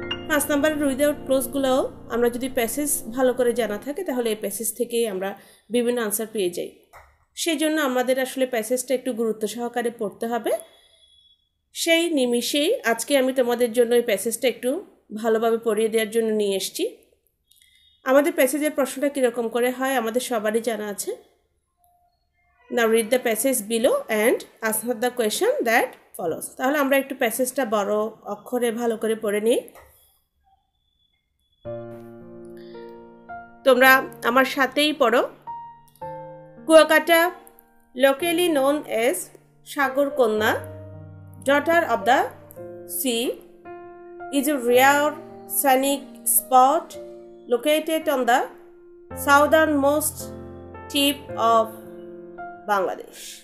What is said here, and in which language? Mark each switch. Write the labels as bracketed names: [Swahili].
[Bangla] 5 নম্বরের উইদাউট ক্লোজগুলোও আমরা যদি প্যাসেজ ভালো করে জানা থাকে তাহলে এই প্যাসেজ থেকেই আমরা বিভিন্ন আনসার পেয়ে যাই। সেই জন্য আমাদের আসলে প্যাসেজটা একটু গুরুত্ব সহকারে পড়তে হবে। সেই নিমিষেই আজকে আমি তোমাদের জন্য এই প্যাসেজটা একটু ভালোভাবে পড়িয়ে দেওয়ার জন্য নিয়ে এসেছি। আমাদের প্যাসেজের প্রশ্নটা কীরকম করে হয় আমাদের সবারই জানা আছে। [English] Now read the passage below and answer the question that follows. [Bangla] তাহলে আমরা একটু প্যাসেজটা বড় অক্ষরে ভালো করে পড়ে নিই। তোমরা আমার সাথেই পড়ো। [English] Kuakata, locally known as Sagarkanya, daughter of the sea, is a rare scenic spot located on the southernmost tip of Bangladesh.